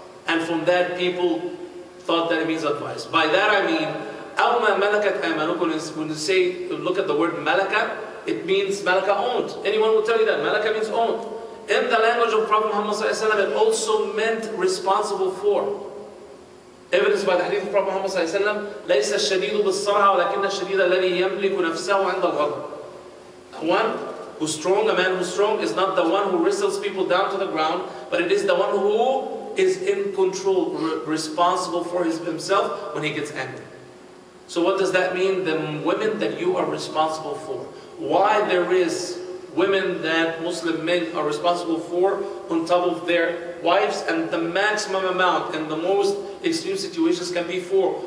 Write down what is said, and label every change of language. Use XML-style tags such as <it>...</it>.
<en>And from that, people thought that it means advice. By that I mean,</en> <ar>أَوْمَا مَلَكَتْ أَيْمَنُكُمْ.</ar> <en>When you say, look at the word malaka, it means malaka owned. Anyone will tell you that, malaka means owned. In the language of Prophet Muhammad ﷺ, it also meant responsible for. Evidence by the hadith of Prophet Muhammad ﷺ,</en> <ar>لَيْسَ الشَّدِيدُ بِالصَّرْعَ وَلَكِنَّ الشَّدِيدَ الَّذِي يَمْلِكُ نَفْسَهُ عَنْدَ الْغَضَبِ.</ar> <en>One who's strong, a man who's strong, is not the one who wrestles people down to the ground, but it is the one who is in control, responsible for himself when he gets angry. So what does that mean? The women that you are responsible for. Why there is women that Muslim men are responsible for on top of their wives, and the maximum amount in the most extreme situations can be four.</en>